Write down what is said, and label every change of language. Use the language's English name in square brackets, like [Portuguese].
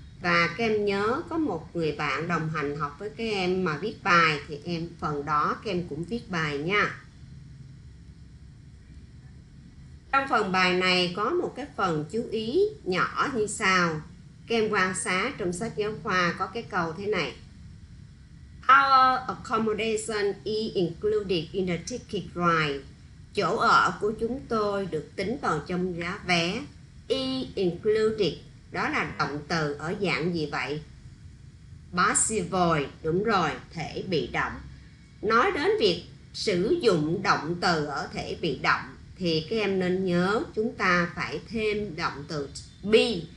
[Vietnamese] Và các em nhớ có một người bạn đồng hành học với các em mà viết bài, thì em phần đó các em cũng viết bài nha. Trong phần bài này có một cái phần chú ý nhỏ như sau. Kem quan sát trong sách giáo khoa có cái câu thế này. [English] Our accommodation is included in the ticket ride. [Vietnamese] Chỗ ở của chúng tôi được tính vào trong giá vé. [English] Is included, [Vietnamese] đó là động từ ở dạng gì vậy? Passive, đúng rồi, thể bị động. Nói đến việc sử dụng động từ ở thể bị động thì các em nên nhớ chúng ta phải thêm động từ be.